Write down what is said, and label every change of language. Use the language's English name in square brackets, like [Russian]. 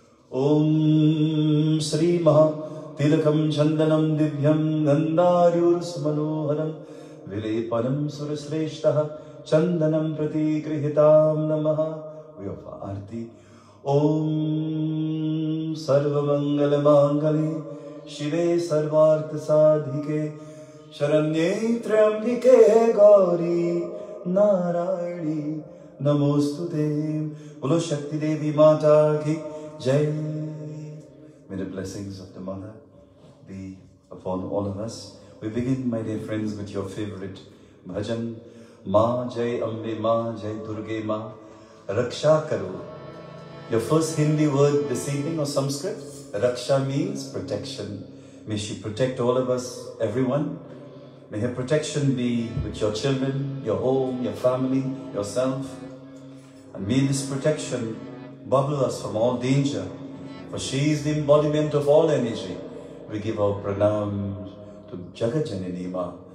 [Sanskrit] Om Sri Maha Tilakam Chandanam Divyam Gandharyur Sumanoharam Vilepanam Surasreshtaha Chandanam Prati Krihitam Namaha. [English] We have a arti. [Sanskrit] Om Sarva Mangala Mangali Shive Sarvartha Sadhike Sharanye Trayambike Gauri Narayani नमोस्तुते। [Hindi] बोलो शक्ति देवी माता की जय। [English] May the blessings of the mother be upon all of us. We begin my dear friends with your favourite bhajan [Hindi] माँ जय अम्बे माँ जय दुर्गे माँ रक्षा करो। [English] Your first Hindi word this evening or Sanskrit raksha means protection. May she protect all of us everyone. May her protection be with your children, your home, your family, yourself. And may this protection bubble us from all danger. For she is the embodiment of all energy. We give our pranam to Jagat Janini Ma.